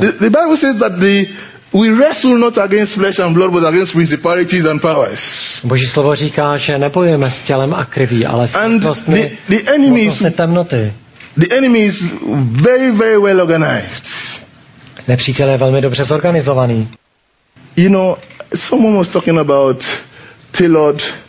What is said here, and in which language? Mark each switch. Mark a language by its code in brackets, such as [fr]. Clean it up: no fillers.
[en] The Bible says that we wrestle not against flesh and blood, but against principalities and powers. [cs] Boží slovo říká, že nebojujeme s tělem a krví, ale s mocnostmi temnoty. [en] The enemy is very, very well organized. [cs] Nepřítel je velmi dobře zorganizovaný. [en] You know, someone was talking about tailored.